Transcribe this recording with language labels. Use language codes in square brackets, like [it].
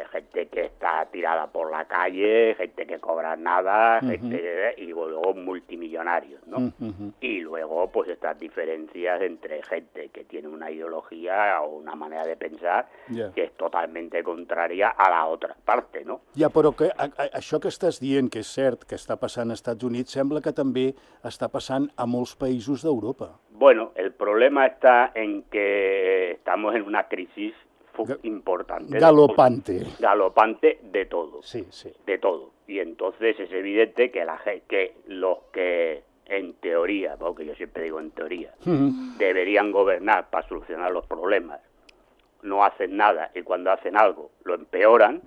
[es] Gente que está tirada por la calle, gente que cobra nada, gente, y luego multimillonarios, ¿no? Y luego pues estas diferencias entre gente que tiene una ideología o una manera de pensar que es totalmente contraria a la otra parte, ¿no? [ca] Ja, però que això que estàs dient, que és cert que està passant als Estats Units, sembla que també està passant a molts països d'Europa. [es] Bueno, el problema está en que estamos en una crisis importante. Galopante. Galopante de todo. Sí, sí. De todo. Y entonces es evidente que la que los que, en teoría, porque yo siempre digo en teoría, deberían gobernar para solucionar los problemas, no hacen nada y cuando hacen algo lo empeoran,